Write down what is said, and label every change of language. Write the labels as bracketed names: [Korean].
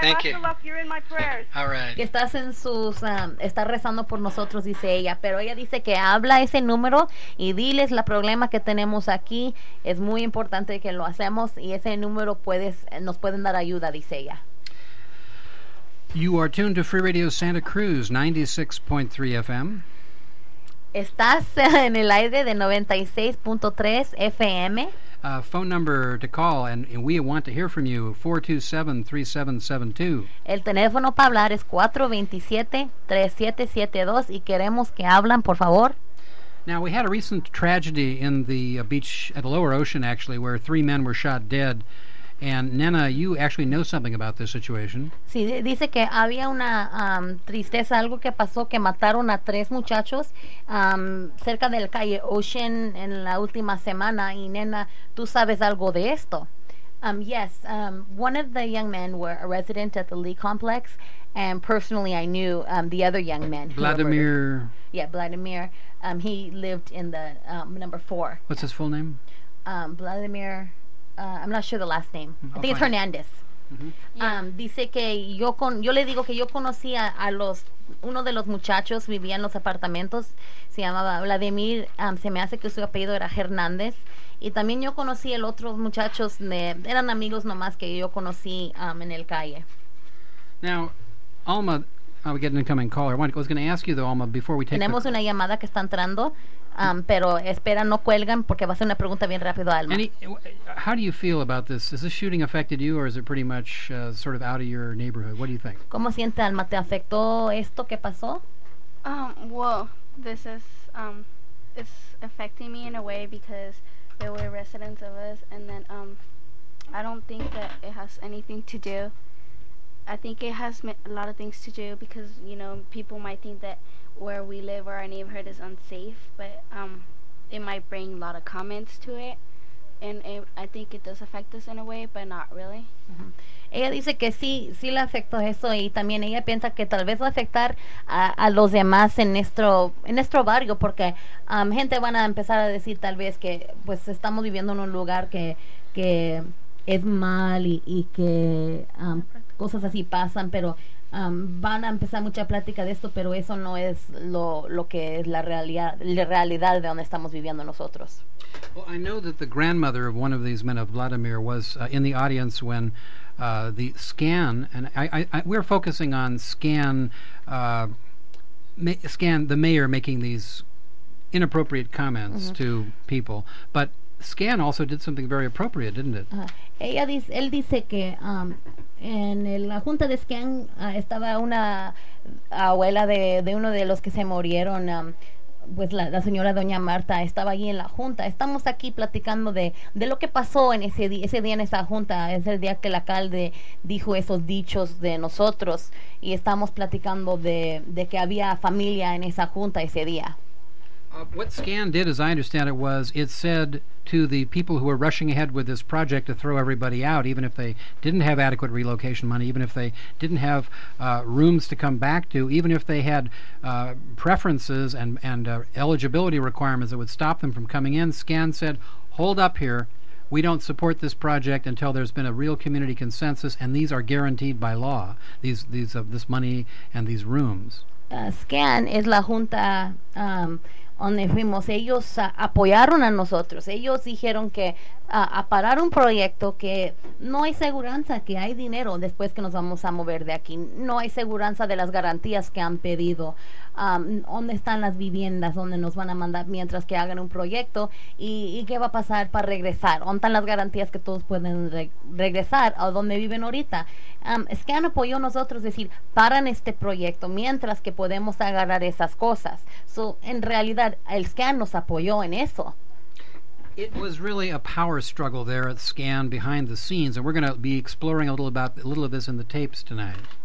[English] Thank you. Lots of luck. You're in my prayers. All right. [Spanish] Estás en sus... está rezando por nosotros, dice ella. Pero ella dice que habla ese número y diles la problema que tenemos aquí. Es muy importante que lo hacemos y ese número nos pueden dar ayuda, dice ella. [English] You are tuned to Free Radio Santa Cruz, 96.3 FM. [Spanish] Estás en el aire de 96.3 FM. [English] Phone number to call, and we want to hear from you, 427-3772. [Spanish] El teléfono para hablar es 427-3772, y queremos que hablan, por favor. [English] Now, we had a recent tragedy in the beach at the Lower Ocean, actually, where three men were shot dead. And, Nena, you actually know something about this situation. [Spanish] Sí, dice que había una tristeza, algo que pasó, que mataron a tres muchachos cerca del calle Ocean en la última semana. Y, Nena, tú sabes algo de esto. [English] Yes, one of the young men were a resident at the Lee Complex, and personally I knew the other young man. Vladimir. Yeah, Vladimir. He lived in the number four. What's his full name? Vladimir... I'm not sure the last name. I think it's Hernandez. [Spanish] Dice que yo le digo que yo conocía a los uno de los muchachos, vivía en los apartamentos, se llamaba Vladimir, se me hace que su apellido era Hernández, y también yo conocí el otro muchachos, eran amigos nomás que yo conocí en el calle. [English] Now, Alma, we get an incoming caller. I was going to ask you though, Alma, before we take [Spanish] tenemos una llamada que está entrando. Pero espera, no cuelgan porque va a ser una pregunta bien rápido, Alma. [English] How do you feel about this? Has this shooting affected you, or is it pretty much sort of out of your neighborhood? What do you think? [Spanish] ¿Cómo siente, Alma? ¿Te afectó esto que pasó? [English] This is it's affecting me in a way because there were residents of us, and then I don't think that it has anything to do. I think it has a lot of things to do because, you know, people might think that where we live or our neighborhood is unsafe, but it might bring a lot of comments to it, and I think it does affect us in a way, but not really. [Spanish] Ella dice que sí le afectó eso, y también ella piensa que tal vez va a afectar a los demás en nuestro barrio, porque gente van a empezar a decir tal vez que pues estamos viviendo en un lugar que es mal y que cosas así pasan, pero van a empezar mucha plática de esto, pero eso no es lo que es la realidad de donde estamos viviendo nosotros. [English] Well, I know that the grandmother of one of these men of Vladimir was in the audience when the scan, and we're focusing on scan the mayor making these inappropriate comments to people, but scan also did something very appropriate, didn't it? [Spanish] Él dice que en la junta de Scan estaba una abuela de uno de los que se murieron, pues la señora doña Marta estaba allí en la junta. Estamos aquí platicando de lo que pasó en ese día en esa junta. Es el día que el alcalde dijo esos dichos de nosotros, y estamos platicando de que había familia en esa junta ese día. [English] What Scan did, as I understand it, was it said to the people who were rushing ahead with this project to throw everybody out, even if they didn't have adequate relocation money, even if they didn't have rooms to come back to, even if they had preferences and eligibility requirements that would stop them from coming in. Scan said, hold up here. We don't support this project until there's been a real community consensus, and these are guaranteed by law, this money and these rooms. [Spanish] Scan es la junta donde fuimos, ellos apoyaron a nosotros, ellos dijeron que a parar un proyecto, que no hay seguridad que hay dinero después que nos vamos a mover de aquí, no hay seguridad de las garantías que han pedido, dónde están las viviendas donde nos van a mandar mientras que hagan un proyecto, y qué va a pasar para regresar, dónde están las garantías que todos pueden regresar a donde viven ahorita. Scan apoyó a nosotros, decir, paran este proyecto mientras que podemos agarrar esas cosas. So, en realidad, el Scan nos apoyó en eso. [English] It was really a power struggle there at Scan behind the scenes, and we're going to be exploring a little of this in the tapes tonight.